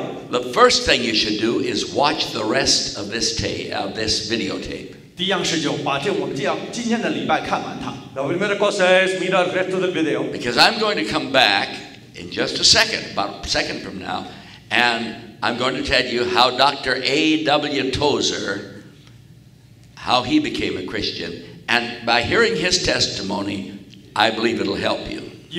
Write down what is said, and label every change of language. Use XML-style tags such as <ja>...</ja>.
<en>The first thing you should do is watch the rest of this tape, of this videotape.</en> <zh>第一样事就把这我们这样今天的礼拜看完它。</zh> <es>La primera cosa es mirar el resto del video.</es> <en>Because I'm going to come back in just a second, about a second from now, and I'm going to tell you how Dr. A.W. Tozer, how he became a Christian, and by hearing his testimony, I believe it'll help you.</en>